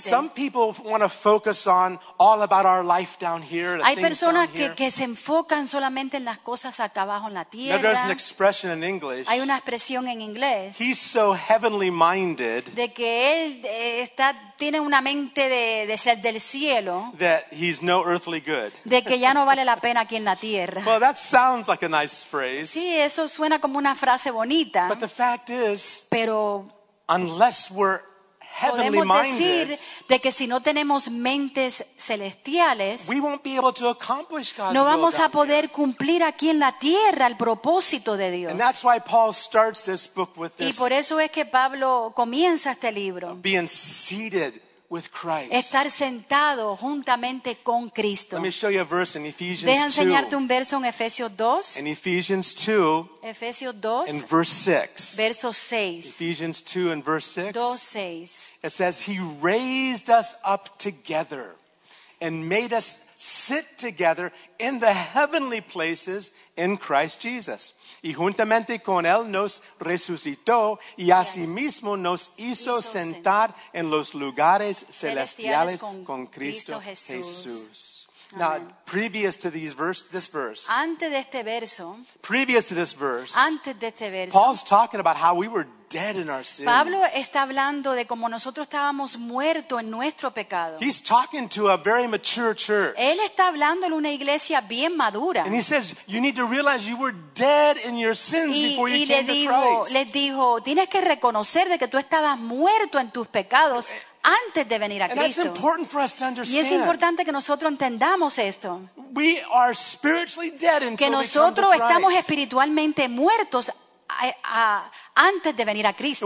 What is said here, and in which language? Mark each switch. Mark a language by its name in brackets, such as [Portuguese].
[English] Some people want to focus on all about our life down here. [Spanish] Hay personas que se enfocan solamente en las cosas acá abajo en la tierra. [English] Now, there's an expression in English. [Spanish] Hay una expresión en inglés. [English] He's so heavenly minded. [Spanish] De que él está tiene una mente de ser del cielo. [English] That he's no earthly good. [Spanish] De que ya no vale la pena aquí en la tierra. [English] Well, that sounds like a nice phrase. [Spanish] Sí, eso suena como una frase bonita. [English] But the fact is, [Spanish] pero [English] unless we're heavenly [Spanish] podemos decir de que si no tenemos mentes celestiales, [English] we won't be able to accomplish God's [Spanish] no vamos a poder cumplir aquí en la tierra el propósito de Dios. [English] And that's why Paul starts this book with this, [Spanish] y por eso es que Pablo comienza este libro. [English] Being seated with Christ. [Spanish] Estar sentado juntamente con Cristo. [English] Let me show you a verse in Ephesians 2. [Spanish] Deja enseñarte un verso en Efesios 2. [English] In Ephesians 2. [Spanish] Efesios 2. [English] In verse 6. [Spanish] Verso 6. [English] Ephesians 2 and verse 6. [Spanish] 2:6. [English] It says, he raised us up together and made us sit together in the heavenly places in Christ Jesus. [Spanish] Y juntamente con él nos resucitó y asimismo nos hizo sentar en los lugares celestiales con Cristo Jesús. [English] Now, previous to this verse. [Spanish] Antes de este verso. [English] Previous to this verse. [Spanish] Antes de este verso. [English] Paul's talking about how we were dead in our sins. [Spanish] Pablo está hablando de como nosotros estábamos muertos en nuestro pecado. [English] He's talking to a very mature church. [Spanish] Él está hablando en una iglesia bien madura. [English] And he says, you need to realize you were dead in your sins before you came to Christ. [Spanish] Les dijo, tienes que reconocer de que tú estabas muerto en tus pecados antes de venir a Cristo. [English] And that's important for us to understand. [Spanish] Y es importante que nosotros entendamos esto. [English] We are spiritually dead until [Spanish] que nosotros [English] we come to [Spanish] estamos [English] Christ. [Spanish] Espiritualmente muertos antes de venir a Cristo.